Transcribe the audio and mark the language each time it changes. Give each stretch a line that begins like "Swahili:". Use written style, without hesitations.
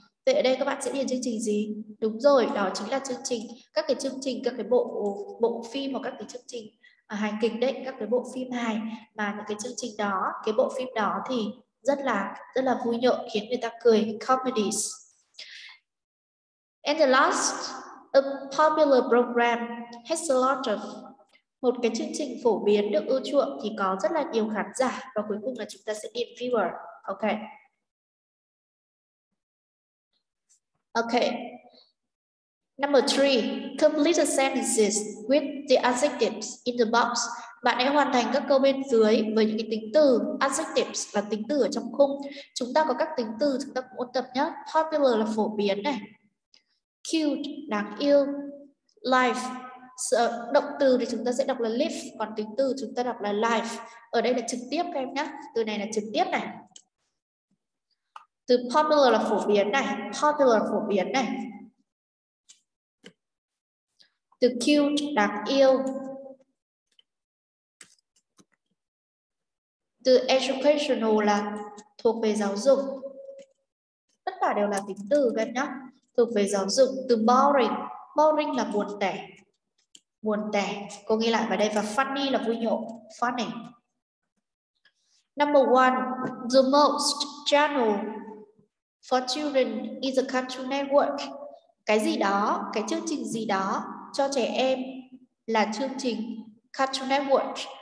Vietnamese: Vậy ở đây các bạn sẽ điền chương trình gì? Đúng rồi, đó chính là chương trình. Các cái chương trình, các cái bộ phim hoặc các cái chương trình hài kịch đấy. Các cái bộ phim hài. Mà những cái chương trình đó, cái bộ phim đó thì rất là vui nhộn, khiến người ta cười.
English: Comedies. And the last, a popular program has a lot of.
Vietnamese: Một cái chương trình phổ biến được ưa chuộng thì có rất là nhiều khán giả. Và cuối cùng là chúng ta sẽ điền viewer. Ok.
English: Ok. Number 3. Complete the sentences with the adjectives in the box.
Vietnamese: Bạn hãy hoàn thành các câu bên dưới với những cái tính từ. Adjectives là tính từ ở trong khung. Chúng ta có các tính từ chúng ta cũng ôn tập nhé. Popular là phổ biến này. Cute, đáng yêu. Life. Động từ thì chúng ta sẽ đọc là live, còn tính từ chúng ta đọc là life. Ở đây là trực tiếp các em nhé. Từ này là trực tiếp này. Từ popular là phổ biến này. Popular là phổ biến này. Từ cute, đáng yêu. Từ educational là thuộc về giáo dục. Tất cả đều là tính từ các em nhé. Thuộc về giáo dục. Từ boring. Boring là buồn tẻ. Buồn tẻ. Cô ghi lại vào đây. Và funny là vui nhộn.
English: Funny. Number one. The most channel for children is a Cartoon Network.
Vietnamese: Cái gì đó, cái chương trình gì đó cho trẻ em là chương trình Cartoon Network.